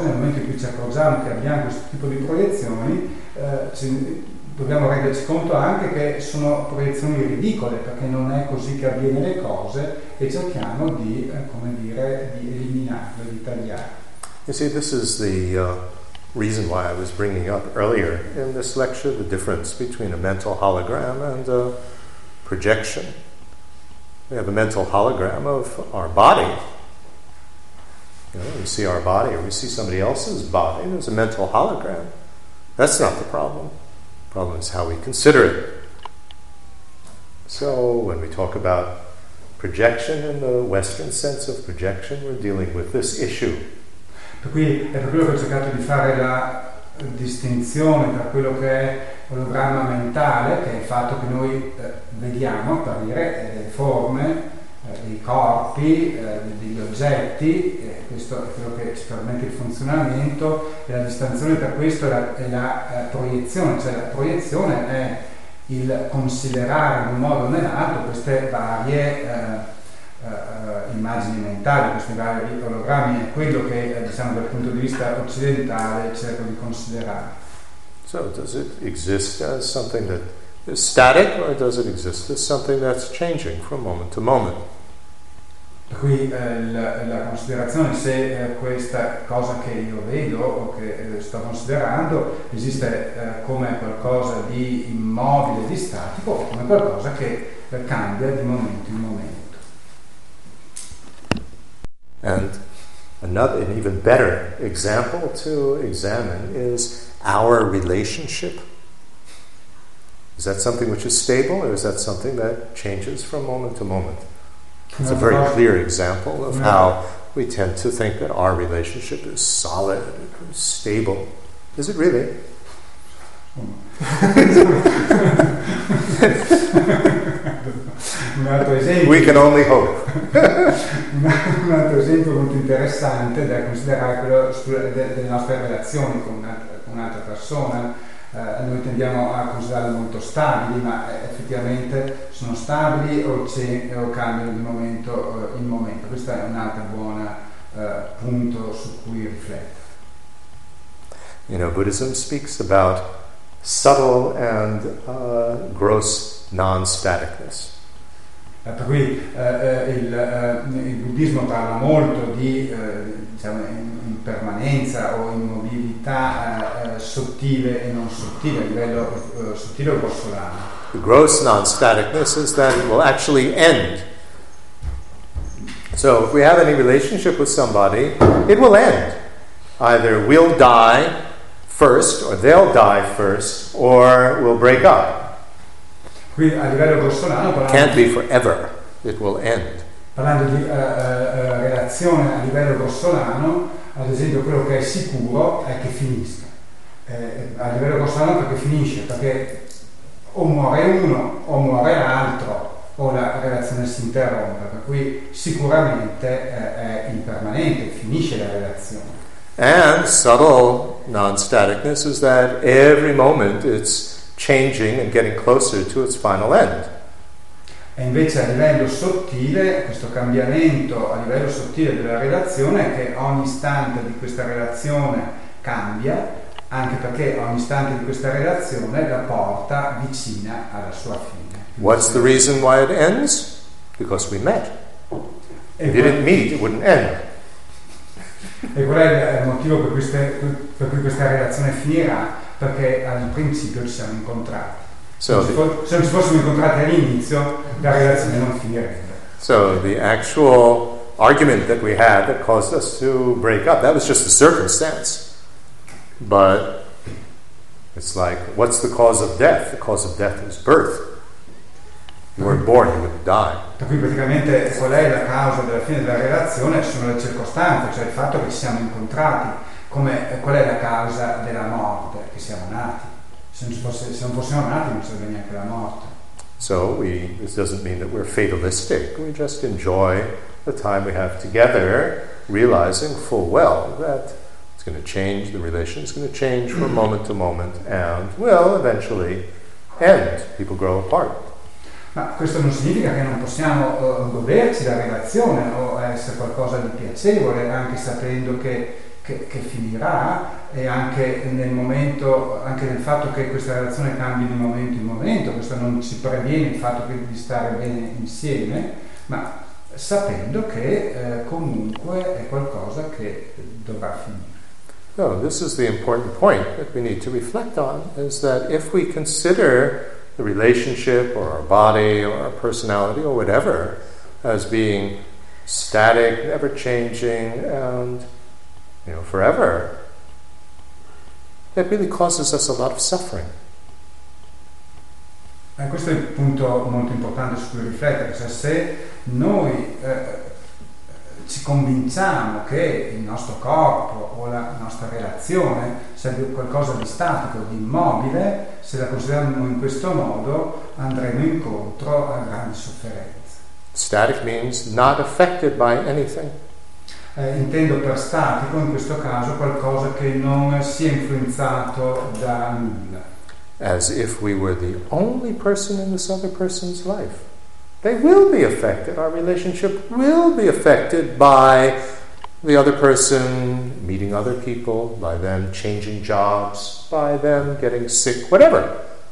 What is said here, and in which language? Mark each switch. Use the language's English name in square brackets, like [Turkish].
[Italian] Nel momento in cui ci accorgiamo che abbiamo questo tipo di proiezioni, dobbiamo renderci conto anche che sono proiezioni ridicole, perché non è così che avviene le cose, e cerchiamo di, come dire, di eliminarle, di tagliarle. [English] You see, this is the reason why I was bringing up earlier in this lecture the difference between a mental hologram and a projection. We have a mental hologram of our body. You know, we see our body, or we see somebody else's body. There's a mental hologram. That's not the problem. The problem is how we consider it. So when we talk about projection in the Western sense of projection, we're dealing with this issue. [Italian] Per cui è per quello che ho cercato di fare la distinzione tra quello che è l'ologramma mentale, che è il fatto che noi vediamo, per dire, le forme, i corpi, degli oggetti, questo è quello che ci permette il funzionamento, e la distinzione tra questo e la proiezione, cioè la proiezione è il considerare in un modo o nell'altro queste varie immagini mentali, questi vari ologrammi, è quello che, diciamo, dal punto di vista occidentale cerco di considerare. [English] So, does it exist as something that is static, or does it exist as something that's changing from moment to moment? [Italian] Per cui la considerazione se questa cosa che io vedo o che sto considerando esiste come qualcosa di immobile, di statico, o come qualcosa che cambia di momento in momento. [English] And another, an even better example to examine is our relationship. Is that something which is stable, or is that something that changes from moment to moment? It's a very clear example of how we tend to think that our relationship is solid and stable. Is it really? [Italian] Un altro esempio. [English] We can only hope. [Italian] Un altro esempio molto interessante da considerare quello delle nostre relazioni con un'altra persona. Noi tendiamo a considerarle molto stabili, ma effettivamente sono stabili o cambiano di momento in momento. Questo è un altro buon punto su cui riflettere. [English] You know, Buddhism speaks about subtle and gross non-staticness. [Italian] Per cui il buddismo parla molto di diciamo, impermanenza o immobilità sottile e non sottile, a livello sottile o grossolano. [English] The gross non-staticness is that it will actually end. So if we have any relationship with somebody, it will end. either we'll die first, or they'll die first, or we'll break up. [Italian] Quindi, a livello personale, [English] it can't be forever, it will end. [Italian] Parlando di relazione a livello grossolano, ad esempio quello che è sicuro è che finisca. A livello grossolano perché finisce, perché o muore uno o muore l'altro, o la relazione si interrompe, per cui sicuramente è impermanente, finisce la relazione. [English] And subtle non-staticness is that every moment it's changing and getting closer to its final end. [Italian] E invece a livello sottile, questo cambiamento a livello sottile della relazione è che ogni istante di questa relazione cambia, anche perché ogni istante di questa relazione la porta vicina alla sua fine. [English] What's the reason why it ends? Because we met. If you didn't meet, it wouldn't end. [Italian] E qual è il motivo per cui questa relazione finirà? Perché al principio ci siamo incontrati. [English] So [Italian] se non ci fossimo incontrati all'inizio, la relazione non finirebbe. [English] So the actual argument that we had that caused us to break up, that was just a circumstance. But it's like, what's the cause of death? The cause of death is birth. You weren't born, you wouldn't die. [Italian] Da qui praticamente qual è la causa della fine della relazione? Sono le circostanze, cioè il fatto che ci siamo incontrati. Come, qual è la causa della morte? Che siamo nati. Se non fossimo nati non sarebbe neanche la morte. [English] So this doesn't mean that we're fatalistic. We just enjoy the time we have together, realizing full well that it's going to change, the relation is going to change from moment to moment and will eventually end. People grow apart. [Italian] Ma questo non significa che non possiamo goderci la relazione o essere qualcosa di piacevole, anche sapendo che finirà, e anche nel momento, anche nel fatto che questa relazione cambi di momento in momento, questo non ci previene il fatto che di stare bene insieme, ma sapendo che comunque è qualcosa che dovrà finire. [English] So this is the important point that we need to reflect on, is that if we consider the relationship or our body or our personality or whatever as being static, never changing, and you know, forever, that really causes us a lot of suffering. [Italian] E questo è il punto molto importante su cui riflettere, cioè se noi ci convinciamo che il nostro corpo o la nostra relazione sia qualcosa di statico, di immobile, se la consideriamo in questo modo, andremo incontro a grandi sofferenze. [English] Static means not affected by anything. [Italian] Intendo per statico in questo caso qualcosa che non sia influenzato da nulla. [English] As if we were the only person in this other person's life. They will be affected, our relationship will be affected by the other person meeting other people, by them changing jobs, by them getting sick, whatever.